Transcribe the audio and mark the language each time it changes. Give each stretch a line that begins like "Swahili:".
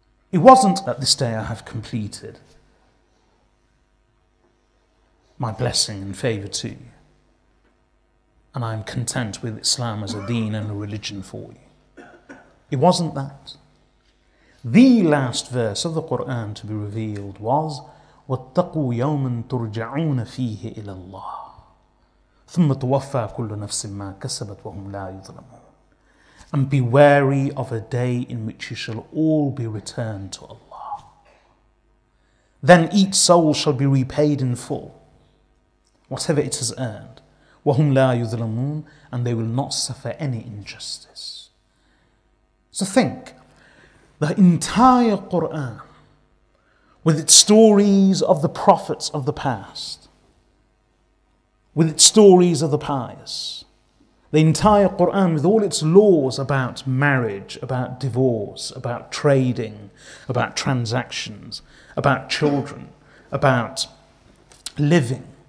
English: It wasn't that this day I have completed my blessing and favour to you, and I am content with Islam as a deen and a religion for you. It wasn't that. The last verse of the Quran to be revealed was,
Arabic: وَاتَّقُوا يَوْمًا تُرْجَعُونَ فِيهِ إِلَى اللَّهِ ثُمَّ تُوَفَّى كُلُّ نَفْسٍ مَّا كَسَبَتْ وَهُمْ لَا يُظْلَمُونَ.
English: And be wary of a day in which you shall all be returned to Allah. Then each soul shall be repaid in full, whatever it has earned.
Arabic: وَهُمْ لَا يُظْلَمُونَ.
English: And they will not suffer any injustice. So think, the entire Quran, with its stories of the prophets of the past, with its stories of the pious, the entire Quran with all its laws about marriage, about divorce, about trading, about transactions, about children, about living,